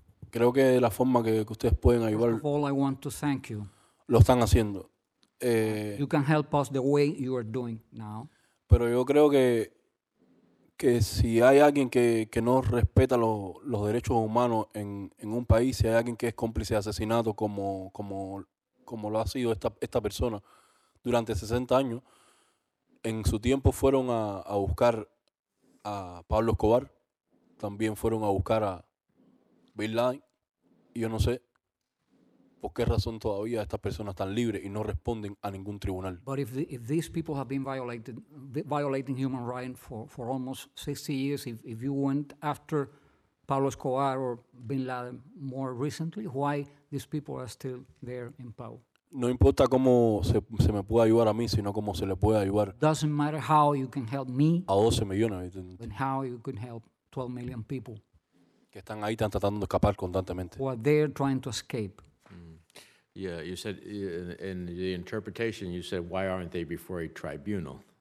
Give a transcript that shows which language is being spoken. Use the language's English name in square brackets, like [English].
[Spanish] Creo que la forma que ustedes pueden ayudar. [English] First of all, I want to thank you. [Spanish] Lo están haciendo. [English] You can help us the way you are doing now. [Spanish] Pero yo creo que si hay alguien que no respeta los derechos humanos en un país, si hay alguien que es cómplice de asesinato como lo ha sido esta persona durante 60 años, en su tiempo fueron a buscar a Pablo Escobar, también fueron a buscar a Bin Laden, y yo no sé por qué razón todavía estas personas están libres y no responden a ningún tribunal. [English] But if these people have been violating human rights for almost 60 years, if you went after Pablo Escobar or Bin Laden more recently, why these people are still there in power? [Spanish] No importa cómo se me pueda ayudar a mí, sino cómo se le puede ayudar. [English] Doesn't matter how you can help me. [Spanish] A 12 millones. [English] And how you can help 12 million people. [Spanish] Que están ahí, están tratando de escapar constantemente. [English] Who are there trying to escape. Yeah, you said in the interpretation, you said, why aren't they before a tribunal?